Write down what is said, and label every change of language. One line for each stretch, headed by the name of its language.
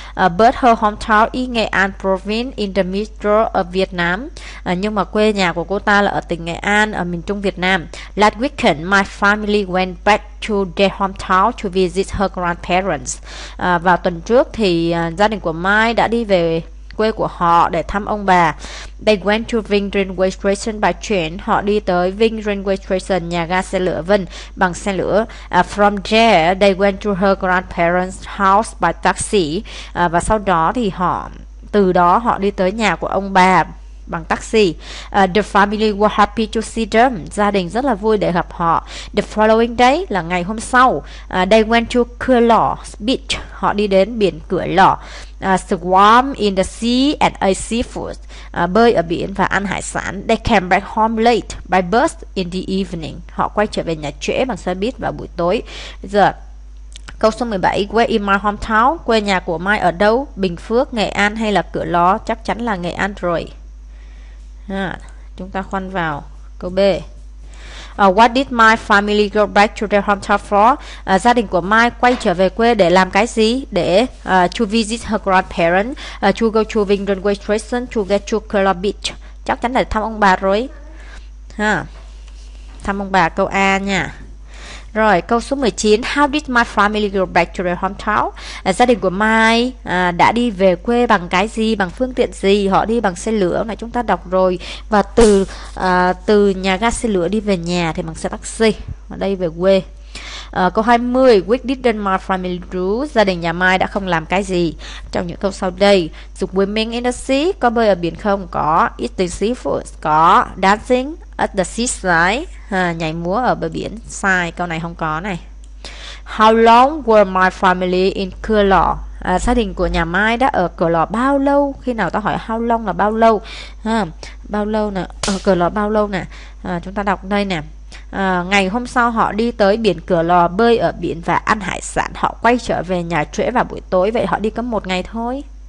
English: But her hometown is Nghệ An province in the middle of Vietnam.
Vietnamese: Nhưng mà quê nhà của cô ta là ở tỉnh Nghệ An, ở miền Trung Việt Nam.
English: Last weekend, my family went back to their hometown to visit her grandparents.
Vietnamese: Vào tuần trước thì gia đình của Mai đã đi về quê của họ để thăm ông bà.
English: They went to Vinh Railway Station by train.
Vietnamese: Họ đi tới Vinh Railway Station, nhà ga xe lửa Vinh, bằng xe lửa.
English: From there, they went to her grandparents' house by taxi.
Vietnamese: Và sau đó thì họ từ đó họ đi tới nhà của ông bà bằng taxi.
English: The family were happy to see them.
Vietnamese: Gia đình rất là vui để gặp họ.
English: The following day
Vietnamese: là ngày hôm sau.
English: They went to Cửa Lò Beach.
Vietnamese: Họ đi đến biển Cửa Lò.
English: Swam in the sea and ate seafood.
Vietnamese: Bơi ở biển và ăn hải sản.
English: They came back home late by bus in the evening.
Vietnamese: Họ quay trở về nhà trễ bằng xe buýt vào buổi tối. Bây giờ câu số 17,
English: where in my hometown?
Vietnamese: Quê nhà của Mai ở đâu? Bình Phước, Nghệ An hay là Cửa Lò? Chắc chắn là Nghệ An rồi. Chúng ta khoan vào câu B.
English: What did my family go back to their hometown for?
Vietnamese: Gia đình của Mai quay trở về quê để làm cái gì? Để
English: to visit her grandparents, to go to Vinh Railway Station, to get to Club Beach.
Vietnamese: Chắc chắn là thăm ông bà rồi. Thăm ông bà câu A nha. Rồi, câu số 19.
English: How did my family go back to their hometown?
Vietnamese: Gia đình của Mai đã đi về quê bằng cái gì? Bằng phương tiện gì? Họ đi bằng xe lửa mà chúng ta đọc rồi. Và từ từ nhà ga xe lửa đi về nhà thì bằng xe taxi. Ở đây về quê. Câu 20.
English: What didn't my family do?
Vietnamese: Gia đình nhà Mai đã không làm cái gì? Trong những câu sau đây.
English: Swimming in the sea?
Vietnamese: Có bơi ở biển không? Có.
English: Eating seafood?
Vietnamese: Có.
English: Dancing at the seaside,
Vietnamese: nhảy múa ở bờ biển. Sai, câu này không có này.
English: How long were my family in Cửa Lò?
Vietnamese: Gia đình của nhà Mai đã ở Cửa Lò bao lâu? Khi nào ta hỏi
English: how long
Vietnamese: là bao lâu? Bao lâu nè, ở Cửa Lò bao lâu nè. Chúng ta đọc đây nè. Ngày hôm sau họ đi tới biển Cửa Lò, bơi ở biển và ăn hải sản. Họ quay trở về nhà trễ vào buổi tối. Vậy họ đi có một ngày thôi.